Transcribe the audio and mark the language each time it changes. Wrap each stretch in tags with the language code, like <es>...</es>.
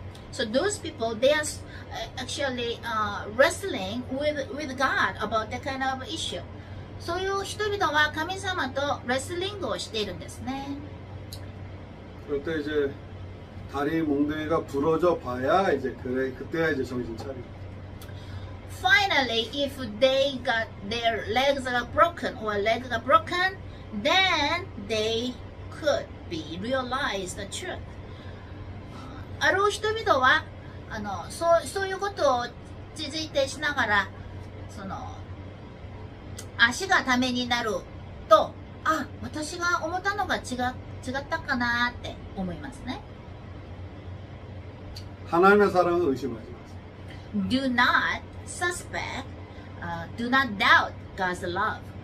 <en>So those people, they are actually wrestling with God about that kind of issue.</en> <ja>そういう人々は神様とレスリングをしているんですね。</ja> <ko>그때이제다리몽둥이가부러져봐야이제그래그때야이제정신차리고</ko> <en>Finally, if they got their legs are broken or legs are broken, then they could be realize the truth.</en> <ja>ある人々はそういうことを続いてしながら、その足がためになると、あ、私が思ったのが違ったかなって思いますね。</ja> <ko>하나님의사랑을의심하지마세요</ko> <en>Do not suspect, do not doubt God's love.</en>